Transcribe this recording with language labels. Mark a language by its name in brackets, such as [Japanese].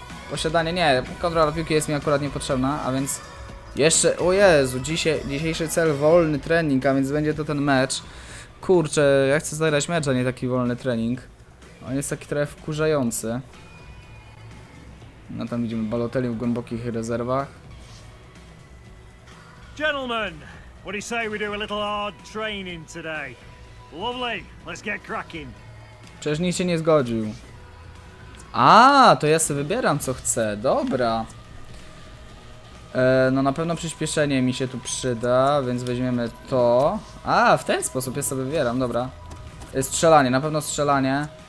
[Polish] Posiadanie, nie, kontrola piłki jest mi akurat niepotrzebna, a więc jeszcze, o Jezu, dzisiejszy cel wolny trening, a więc będzie to ten mecz. Kurczę, ja chcę zagrać mecz, a nie taki wolny trening. On jest taki trochę wkurzający. No tam widzimy Balotelli w głębokich rezerwach. [English] Gentlemen, what do you say we do a little hard training today? Lovely, let's get cracking. [Polish] Przecież nikt się nie zgodził. A, to ja sobie wybieram co chcę, dobra. No na pewno przyspieszenie mi się tu przyda, więc weźmiemy to. A, w ten sposób ja sobie wybieram, dobra. Strzelanie, na pewno strzelanie.